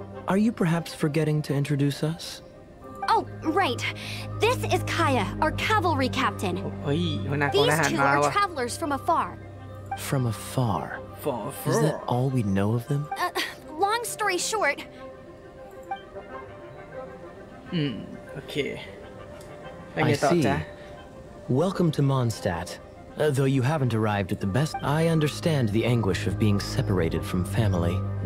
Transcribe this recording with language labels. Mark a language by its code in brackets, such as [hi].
[en] Are you perhaps forgetting to introduce us? Oh, right. This is Kaya, our cavalry captain. [th] เฮ้ยนัก เดินทางมาว่ะ [en] These two are travelers from afar. From afar. Far. Is that all we know of them? Long story short. Okay. I see. Welcome to Mondstadt. Though you haven't arrived at the best, I understand the anguish of being separated from family.